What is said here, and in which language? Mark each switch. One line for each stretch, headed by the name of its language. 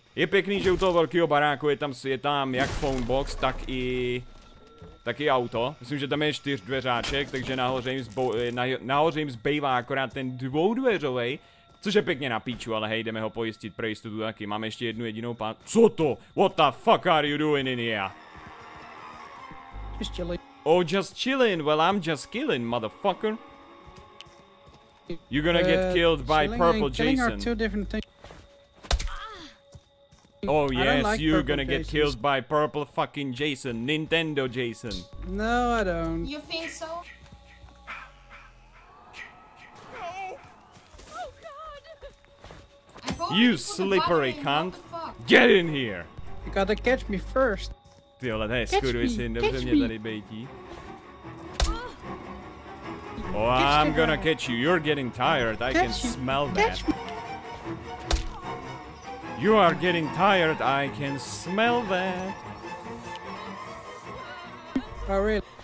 Czech: Je pěkný, že u toho velkého baráku je tam jak phone box, tak i auto. Myslím, že tam je 4 dveřáček, takže nahoře jim zbývá akorát ten dvoudveřovej, což je pěkně na píču, ale hej, jdeme ho pojistit pro jistotu taky. Máme ještě jednu jedinou pát. Co to?
English: What the fuck are you doing in here? Just chilling. Oh, just chilling. Well, I'm just killing, motherfucker. You're gonna get killed by purple Jason. Oh yes, like you're gonna get killed by purple fucking Jason, Nintendo Jason. No, I don't. You think so? No! Oh god! You slippery cunt! Get in here! You gotta catch me first.
Czech: Ty vole, to je skurvisin, dobře mě tady bejtí.
English: Oh, I'm gonna catch you, you're getting tired, I can smell that. You are getting tired, I can smell that. Oh really?